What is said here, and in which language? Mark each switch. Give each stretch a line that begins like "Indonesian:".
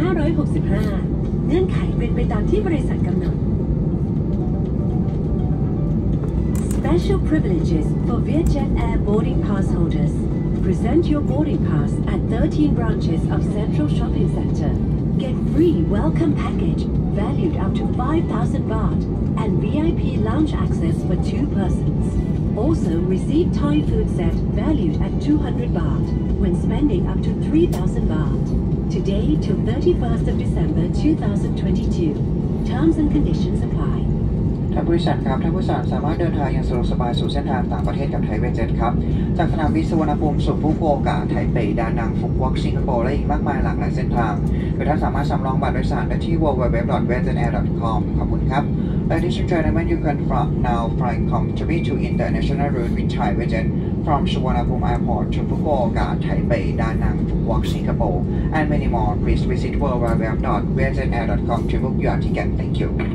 Thai: 2565เงื่อนไขเป็นไปตามที่บริษัทกำหนด
English: Special privileges for Vietjet Air boarding pass holders Present your boarding pass at 13 branches of Central Shopping Center Get free welcome package valued up to 5,000 bahtAnd VIP lounge access for 2 persons. Also receive Thai food set valued at 200 baht when spending up to 3,000 baht. Today till 31st of December 2022. Terms and conditions apply.
Thai: ท่านผู้ชมครับท่านผู้ชมสามารถเดินทางอย่างสะดวกสบายสู่เส้นทางต่างประเทศกับไทยเวียดเจ็ตครับจากสนามบินสุวรรณภูมิสู่ฟุกุโอกะไทเปดานังฟุกุโอกะสิงคโปร์และอีกมากมายหลากหลายเส้นทางโดยท่านสามารถจำลองบัตรโดยสารได้ที่ www.vietjetair.com ขอบคุณครับและที่สุดท้ายในวันนี้คือการ
English: now flying from Changi to international route with Thai Vietjet from สุวรรณภูมิ airport to ฟุกุโอกะไทเปดานังฟุกุโอกะสิงคโปร์ and many more please visit www.vietjetair.com to book your ticket thank you